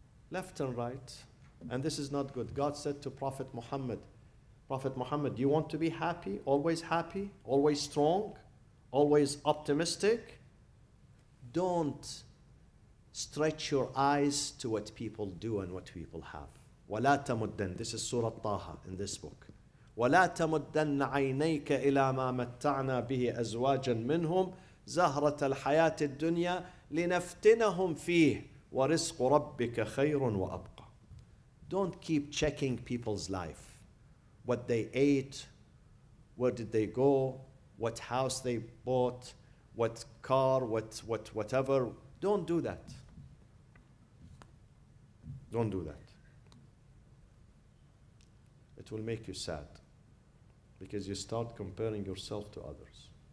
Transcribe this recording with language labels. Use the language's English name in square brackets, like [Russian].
[English] Left and right. And this is not good. God said to Prophet Muhammad, you want to be happy, always strong, always optimistic? Don't stretch your eyes to what people do and what people have. [Arabic] وَلَا تَمُدَّنْ [English] This is Surah Taha in this book. [Arabic] وَلَا تَمُدَّنَّ عَيْنَيْكَ إِلَى مَا مَتَّعْنَا بِهِ أَزْوَاجًا مِنْهُمْ زَهْرَةَ الْحَيَاةِ الدُّنْيَا لِنَفْتِنَهُمْ فِيهِ وَرِزْقُ رَبِّكَ خَيْرٌ وَأَبْقَى [English] Don't keep checking people's life. What they ate, where did they go, what house they bought, what car, what whatever. Don't do that. Don't do that. It will make you sad because you start comparing yourself to others.